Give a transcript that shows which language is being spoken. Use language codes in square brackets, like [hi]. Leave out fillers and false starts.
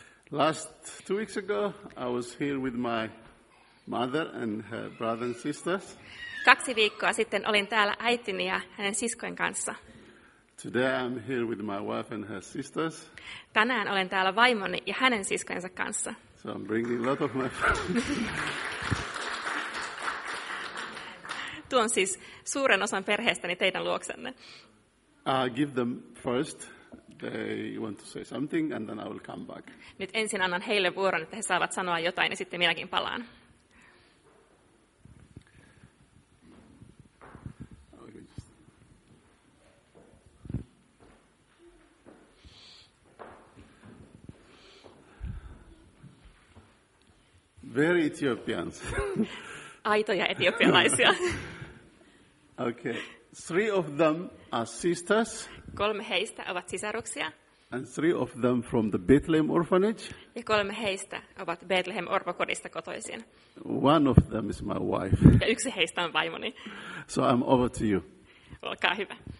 [en] Last 2 weeks ago, I was here with my mother and her brother and sisters. [fi] 2 viikkoa sitten olin täällä äitini ja hänen siskojen kanssa. [en] Today I'm here with my wife and her sisters. [fi] Tänään olen täällä vaimoni ja hänen siskojensa kanssa. [en] So I'm bringing a lot of my [fi] Tuon siis suuren osan perheestäni teidän luoksenne. [en] Give them first. They want to say something and then I will come back. [fi] Nyt ensin annan heille vuoron, että he saavat sanoa jotain ja sitten minäkin palaan. [en] Very Ethiopians. [fi] Aitoja etiopialaisia. [en] Okay. 3 of them are sisters. [fi] 3 heistä ovat sisaruksia. [en] And 3 of them from the Bethlehem orphanage. [fi] Ja 3 heistä ovat Bethlehem orpokodista kotoisin. [en] One of them is my wife. [fi] Ja 1 heistä on vaimoni. [en] So I'm over to you. [fi] Olkaa hyvä.